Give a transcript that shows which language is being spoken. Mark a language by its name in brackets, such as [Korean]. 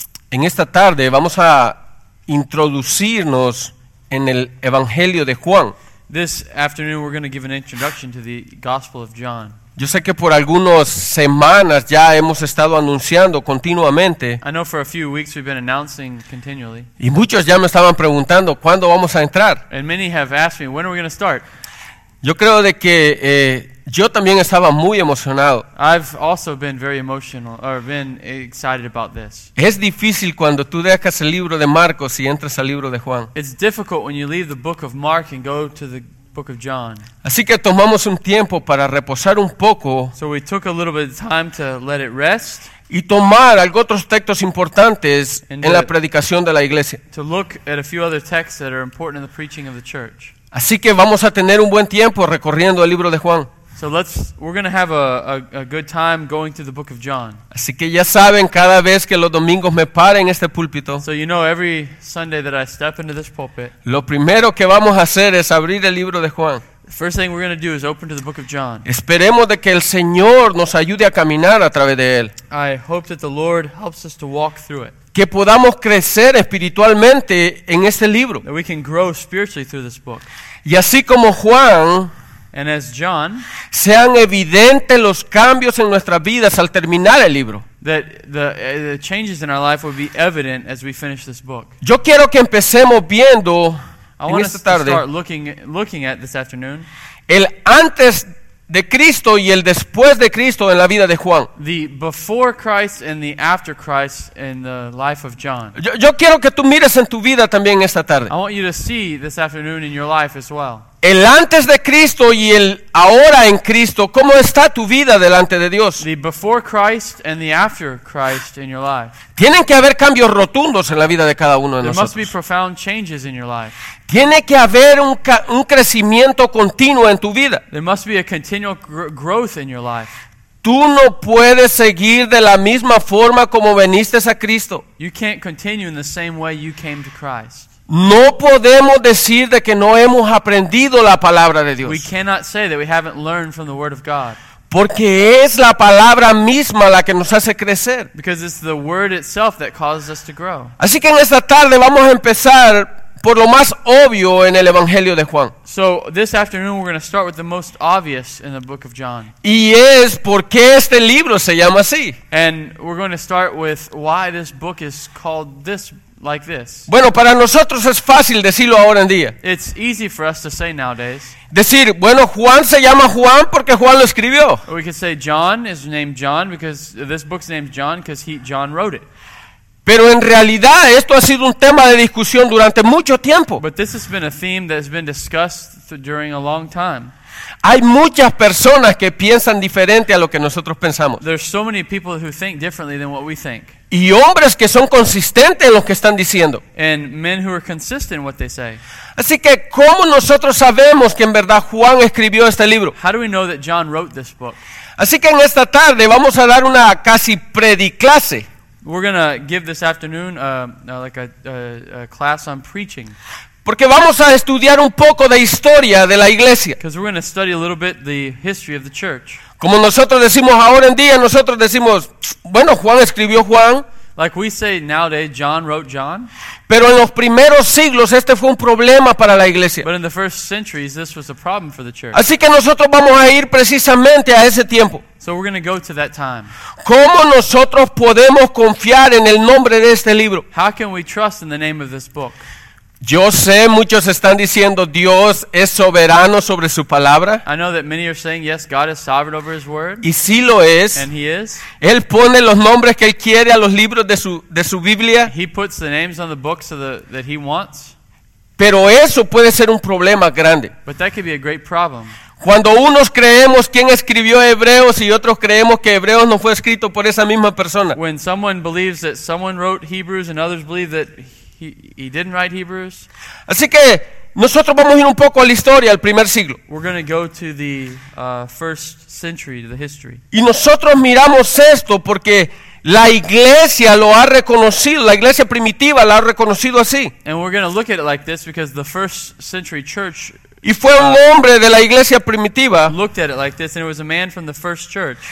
[Spanish] En esta tarde vamos a introducirnos en el Evangelio de Juan. [English] This afternoon we're going to give an introduction to the Gospel of John. [Spanish] Yo sé que por algunas semanas ya hemos estado anunciando continuamente. [English] I know for a few weeks we've been announcing continually. [Spanish] Y muchos ya me estaban preguntando cuándo vamos a entrar. [English] And many have asked me when are we going to start. [Spanish] Yo creo de que yo también estaba muy emocionado. [English] I've also been very emotional or been excited about this. [Spanish] Es difícil cuando tú dejas el libro de Marcos y entras al libro de Juan. [English] It's difficult when you leave the book of Mark and go to the book of John. [Spanish] Así que tomamos un tiempo para reposar un poco. [English] So we took a little bit of time to let it rest. [Spanish] Y tomar algunos textos importantes en la predicación de la iglesia. [English] To look at a few other texts that are important in the preaching of the church. [Spanish] Así que vamos a tener un buen tiempo recorriendo el libro de Juan. [English] So we're going to have a good time going through the book of John. [Spanish] Así que ya saben, cada vez que los domingos me paren en este púlpito. [English] So you know every Sunday that I step into this pulpit. [Spanish] Lo primero que vamos a hacer es abrir el libro de Juan. [English] First thing we're going to do is open to the book of John. [Spanish] Esperemos de que el Señor nos ayude a caminar a través de él. [English] I hope that the Lord helps us to walk through it. [Spanish] Que podamos crecer espiritualmente en este libro. [English] That we can grow spiritually through this book. [Spanish] Y así como Juan, [English] and as John, [Spanish] sean evidentes los cambios en nuestras vidas al terminar el libro. [English] That the changes in our life will be evident as we finish this book. [Spanish] Yo quiero que empecemos viendo en esta tarde [English] looking at this afternoon [Spanish] el antes de Cristo y el después de Cristo en la vida de Juan. [English] The before Christ and the after Christ in the life of John. [Spanish] Yo quiero que tú mires en tu vida también esta tarde. [English] I want you to see this afternoon in your life as well. [Spanish] El antes de Cristo y el ahora en Cristo, ¿cómo está tu vida delante de Dios? [English] The before Christ and the after Christ in your life. [Spanish] Tienen que haber cambios rotundos en la vida de cada uno de [English] there [Spanish] nosotros. [English] There must be profound changes in your life. [Spanish] Tiene que haber un crecimiento continuo en tu vida. [English] There must be a continual growth in your life. [Spanish] Tú no puedes seguir de la misma forma como viniste a Cristo. [English] You can't continue in the same way you came to Christ. [Spanish] No podemos decir de que no hemos aprendido la palabra de Dios. [English] We cannot say that we haven't learned from the word of God. [Spanish] Porque es la palabra misma la que nos hace crecer. [English] Because it's the word itself that causes us to grow. [Spanish] Así que en esta tarde vamos a empezar por lo más obvio en el Evangelio de Juan. [English] So this afternoon we're going to start with the most obvious in the book of John. [Spanish] Y es por qué este libro se llama así. [English] And we're going to start with why this book is called this like this. [Spanish] Bueno, para nosotros es fácil decirlo ahora en día. [English] It's easy for us to say nowadays. [Spanish] Decir, bueno, Juan se llama Juan porque Juan lo escribió. [English] Or we could say John is named John because this book's named John because John wrote it. [Spanish] Pero en realidad esto ha sido un tema de discusión durante mucho tiempo. [English] But this has been a theme that has been discussed during a long time. [Spanish] Hay muchas personas que piensan diferente a lo que nosotros pensamos. [English] There's so many people who think differently than what we think. [Spanish] Y hombres que son consistentes en lo que están diciendo. [English] And men who are consistent in what they say. [Spanish] Así que, ¿cómo nosotros sabemos que en verdad Juan escribió este libro? [English] How do we know that John wrote this book? [Spanish] Así que en esta tarde vamos a dar una casi prediclase. [English] We're going to give this afternoon a class on preaching. [Spanish] Porque vamos a estudiar un poco de historia de la iglesia. [English] Because we're going to study a little bit the history of the church. [Spanish] Como nosotros decimos ahora en día, nosotros decimos, bueno, Juan escribió Juan. [English] Like we say nowadays, John wrote John. [Spanish] Pero en los primeros siglos este fue un problema para la iglesia. [English] But in the first centuries, this was a problem for the church. [Spanish] Así que nosotros vamos a ir precisamente a ese tiempo. [English] So we're going to go to that time. [Spanish] ¿Cómo nosotros podemos confiar en el nombre de este libro? [English] How can we trust in the name of this book? [Spanish] Yo sé, muchos están diciendo Dios es soberano sobre su palabra. [English] I know that many are saying yes, God is sovereign over His word. [Spanish] Y sí lo es. [English] And He is. [Spanish] Él pone los nombres que él quiere a los libros de su Biblia. [English] He puts the names on the books that He wants. [Spanish] Pero eso puede ser un problema grande. [English] But that could be a great problem. [Spanish] Cuando unos creemos quién escribió Hebreos y otros creemos que Hebreos no fue escrito por esa misma persona. [English] When someone believes that someone wrote Hebrews and others believe that He didn't write Hebrews. [Spanish] Así que nosotros vamos a ir un poco a la historia, al primer siglo. [English] We're going to go to the first century, to the history. [Spanish] Y nosotros miramos esto porque la iglesia lo ha reconocido, la iglesia primitiva la ha reconocido así. [English] And we're going to look at it like this because the first century church. [Spanish] Y fue un hombre de la iglesia primitiva. [English] Looked at it like this, and it was a man from the first church.